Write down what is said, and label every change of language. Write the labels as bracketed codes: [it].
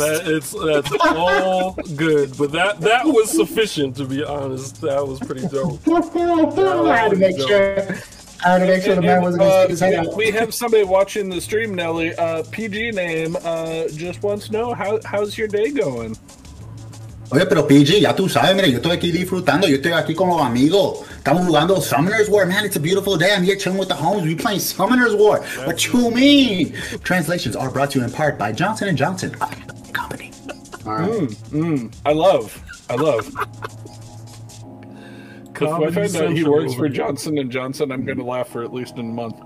[en] That's all good, but that was sufficient, to be honest. That was pretty dope. I had to make sure the man wasn't gonna stick his head out. We have somebody watching the stream, Nelly. PG name just wants to know how's your day going. [es] Oye, pero PG, ya tú sabes, mire, yo estoy aquí disfrutando, yo estoy aquí con los amigos. [en] Tamulando Summoner's War. Man, it's a beautiful day. I'm here chilling with the homies. We're playing Summoner's War. What you mean? Translations are brought to you in part by Johnson & Johnson Company. All right. I love. If I find out he works for Johnson & Johnson, I'm going to laugh for at least a month.